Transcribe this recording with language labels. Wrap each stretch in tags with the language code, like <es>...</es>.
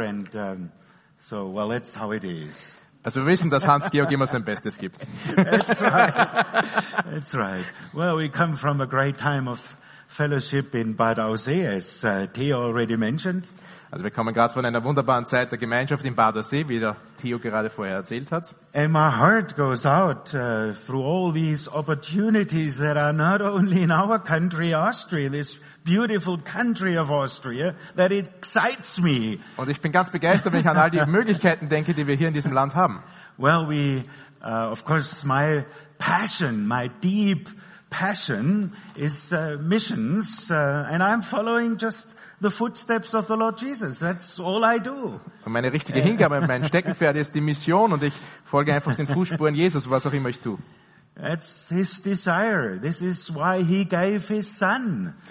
<en>And so, well, that's how it is.</en> <de>Also, wir wissen, dass Hans-Georg immer sein Bestes gibt.</de> <en>That's right. Well, we come from a great time of fellowship in Bad Aussee, as Theo already mentioned.</en> <de>Also, wir kommen gerade von einer wunderbaren Zeit der Gemeinschaft in Bad Aussee, wie der Theo gerade vorher erzählt hat.</de> <en>And my heart goes out through all these opportunities that are not only in our country, Austria, this beautiful country of Austria, that excites me.</en> <de>Und ich bin ganz begeistert, wenn ich an all die Möglichkeiten denke, die wir hier in diesem Land haben.</de> <en>Well, we, of course, my passion, my deep passion is missions, and I'm following just the footsteps of the Lord Jesus. That's all I do.</en> <de>Und meine richtige Hingabe, mein Steckenpferd ist die Mission und ich folge einfach den Fußspuren Jesus, was auch immer ich tue.</de> <en>That's his desire. This is why he gave his son.</en>